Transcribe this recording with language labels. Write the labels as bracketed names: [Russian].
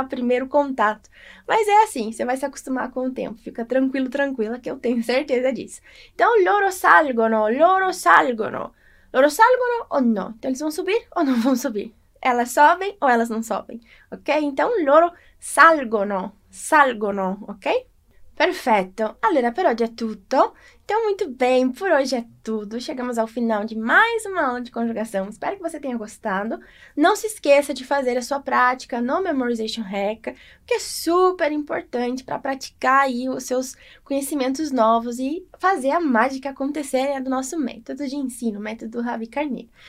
[Portuguese] O primeiro contato. Mas é assim, você vai se acostumar com o tempo. Fica tranquilo, tranquila, que eu tenho certeza disso. Então, [Italian] loro salgono. Loro salgono [Portuguese] ou no? Então, eles vão subir ou não vão subir? Elas sobem ou elas não sobem? Ok? Então, [Italian] loro salgono, [Portuguese] ok? [Italian] Perfetto, allora per oggi è tutto. [Portuguese] Então, muito bem, por hoje é tudo. Chegamos ao final de mais uma aula de conjugação. Espero que você tenha gostado. Não se esqueça de fazer a sua prática no Memorization Hacker, que é super importante para praticar aí os seus conhecimentos novos e fazer a mágica acontecer, né, do nosso método de ensino, o método Ravi Carneiro.